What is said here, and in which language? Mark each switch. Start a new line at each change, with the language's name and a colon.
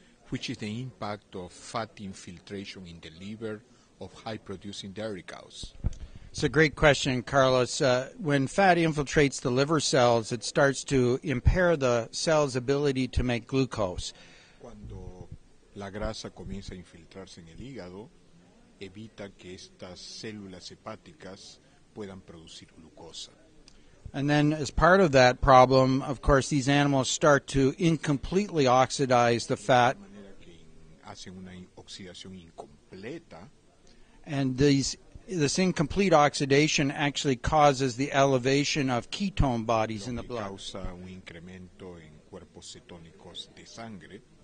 English: which is the impact of fat infiltration in the liver of high-producing dairy cows? It's a great question, Carlos. When fat infiltrates the liver cells, it starts to impair the cell's ability to make glucose.
Spanish: Cuando la grasa comienza a infiltrarse en el hígado, evita que estas células hepáticas puedan producir glucosa.
English: And then as part of that problem, of course, these animals start to incompletely oxidize the fat.
Spanish: Hacen una oxidación incompleta.
English: And this incomplete oxidation actually causes the elevation of ketone bodies in the blood.
Spanish: Causa un incremento en cuerpos cetónicos de sangre.